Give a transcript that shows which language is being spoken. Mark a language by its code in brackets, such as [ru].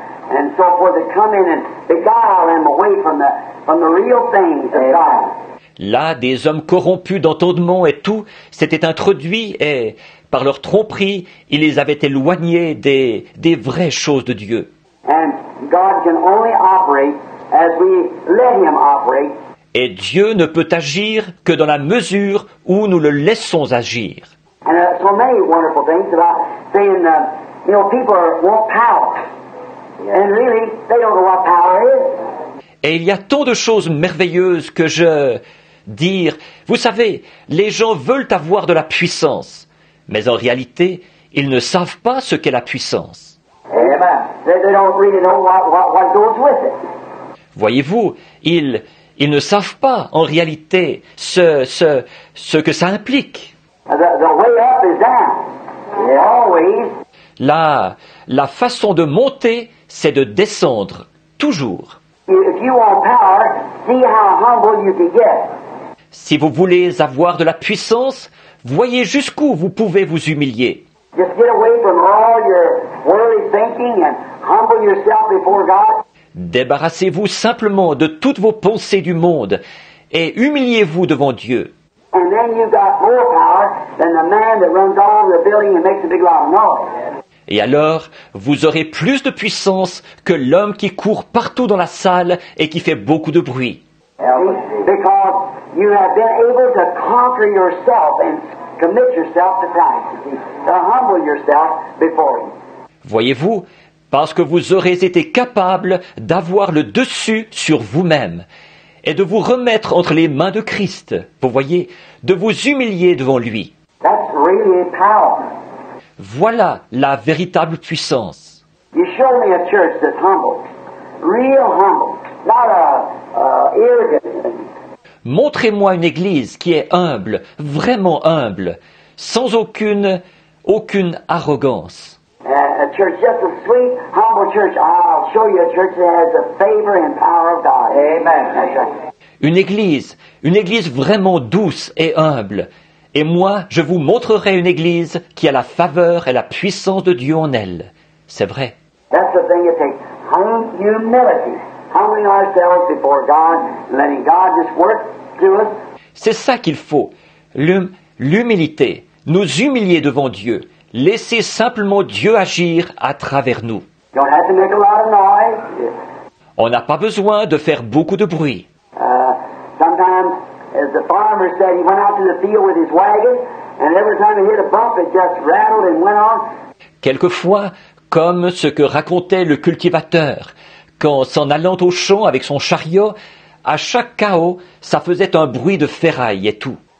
[en] And so for to come in and beguile him away from the real things of God. [fr] Là, des hommes corrompus d'entendement et tout s'étaient introduits et par leur tromperie, ils les avaient éloignés des vraies choses de Dieu. [en] And God can only operate as we let Him operate. [fr] Et Dieu ne peut agir que dans la mesure où nous le laissons agir. [en] And so many wonderful things about saying that, you know, people want power. And really, they don't know what power is. [fr] Et il y a tant de choses merveilleuses que je dire. Vous savez, les gens veulent avoir de la puissance, mais en réalité, ils ne savent pas ce qu'est la puissance. [en] They don't really know what goes with it. [fr] Voyez-vous, ils ne savent pas en réalité ce que ça implique. [en] The way up is down. Always. [fr] La façon de monter, c'est de descendre, toujours. [en] If you want power, see how humble you can get. [fr] Si vous voulez avoir de la puissance, voyez jusqu'où vous pouvez vous humilier. [en] Just get away from all your worldly thinking and humble yourself before God. [fr] Débarrassez-vous simplement de toutes vos pensées du monde et humiliez-vous devant Dieu. [en] And then you've got more power than the man that runs all the building and makes a big loud noise. [fr] Et alors, vous aurez plus de puissance que l'homme qui court partout dans la salle et qui fait beaucoup de bruit. [en] Because you have been able to conquer yourself and commit yourself to Christ, to humble yourself before Him. [fr] Voyez-vous, parce que vous aurez été capable d'avoir le dessus sur vous-même et de vous remettre entre les mains de Christ, vous voyez, de vous humilier devant Lui. [en] That's really power. [fr] Voilà la véritable puissance. [en] You show me a church that's humble, real humble, not arrogant. [fr] Montrez-moi une église qui est humble, vraiment humble, sans aucune arrogance. [en] A church, just a sweet, humble church. I'll show you a church that has the favor and power of God. Amen. [fr] Une église vraiment douce et humble. Et moi, je vous montrerai une église qui a la faveur et la puissance de Dieu en elle. C'est vrai. [en] That's the thing it takes. Humility. Humbling ourselves before God, letting God just work through us. [fr] C'est ça qu'il faut. L'humilité. Nous humilier devant Dieu. Laissez simplement Dieu agir à travers nous. [en] Don't have to make a lot of noise. [fr] On n'a pas besoin de faire beaucoup de bruit. [en] Sometimes, as the farmer said, he went out to the field with his wagon, and every time he hit a bump, it just rattled and went off. [fr] Quelquefois, comme ce que racontait le cultivateur, qu'en s'en allant au champ avec son chariot, à chaque chaos, ça faisait un bruit de ferraille et tout.